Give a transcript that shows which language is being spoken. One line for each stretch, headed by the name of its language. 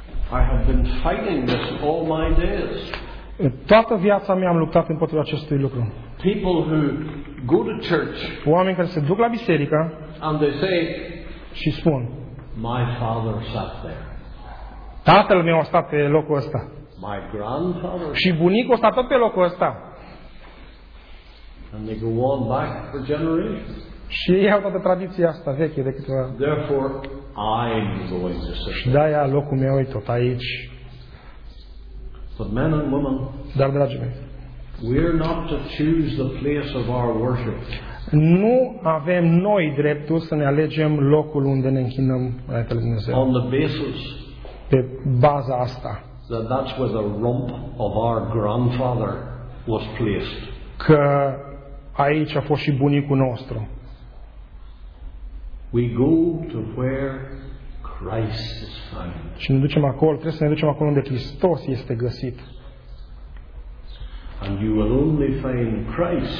English: I have been fighting this all my days.
Romanian: Toată viața mea am luptat împotriva acestui lucru.
English: People who go to church.
Romanian: Oameni care se duc la biserică.
English: And they say,
Romanian: și spun,
English: my father sat there.
Romanian: Tatăl meu a stat pe locul ăsta.
English: My grandfather.
Romanian: Și bunicul a stat tot pe locul ăsta.
English: And they go on back for generations.
Romanian: Și ei au toată tradiția asta veche de câteva.
English: Therefore, I'm going to sit.
Romanian: Și de-aia locul meu e tot aici.
English: But men and women,
Romanian: dar dragii mei,
English: we're not to choose the place of our worship.
Romanian: Nu avem noi dreptul să ne alegem locul unde ne închinăm înaintea lui Dumnezeu.
English: On the basis,
Romanian: pe baza asta,
English: that that was the rump of our grandfather was placed.
Romanian: Că aici a fost și bunicul nostru.
English: We go to where Christ is found.
Romanian: Și ne ducem acolo, trebuie să ne ducem acolo unde Hristos este găsit.
English: And you will only find Christ.